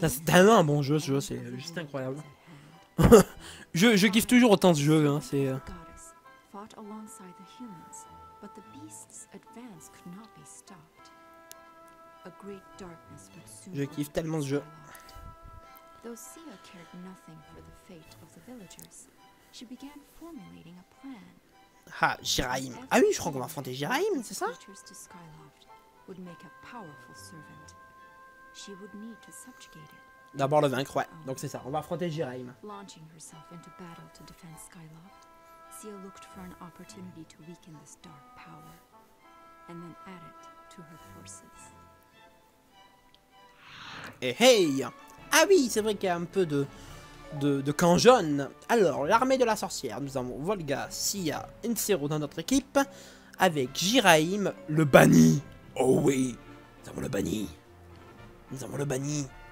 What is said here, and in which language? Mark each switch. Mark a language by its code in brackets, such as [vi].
[fr] C'est tellement un bon jeu, ce jeu, c'est juste incroyable. je kiffe toujours autant ce jeu, hein, c'est... [en] The goddess fought alongside the humans, but the beast's advance could not be stopped. A great darkness would soon... [fr] Je kiffe tellement ce jeu. [en] Though Sia cared nothing for the fate of the villagers, she began formulating a plan. Ha, Jiraim. [fr] Ah oui, je crois qu'on va affronter Jiraim, c'est ça? [en] Creatures to Skyloft would make a powerful servant. She would need to subjugate it. [fr] D'abord le vaincre, ouais. Donc c'est ça, on va affronter Jiraim. [en] Launching herself into battle to defend Skyloft, Sia looked for an opportunity to weaken this dark power and then add it to her forces. Eh hey! [fr] Ah oui, c'est vrai qu'il y a un peu de camp jaune. Alors, l'armée de la sorcière, nous avons Volga, Sia, Insero dans notre équipe, avec Jiraim, le banni. Oh oui, nous avons le banni. Nous avons le banni.